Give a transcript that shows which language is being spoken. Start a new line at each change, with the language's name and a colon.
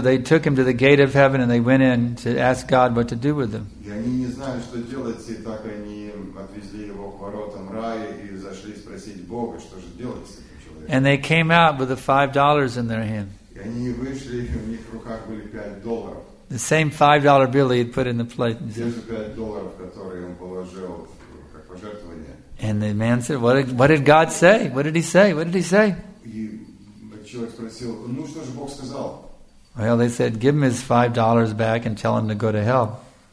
English: They took him to the gate of heaven and they went in to ask God what to do with him.
Russian: И они не знали, что делать, и так они отвезли его к воротам рая и зашли спросить Бога, что же делать с этим человеком.
English: And they came out with the $5 in their hand.
Russian: И они вышли, у них в руках были $5.
English: The same $5 bill he had put in the plate.
Russian: Те же $5, которые он положил как пожертвование.
English: And the man said, what did God say? What did he say? Well, they said, give him his $5 back and tell him to go to hell.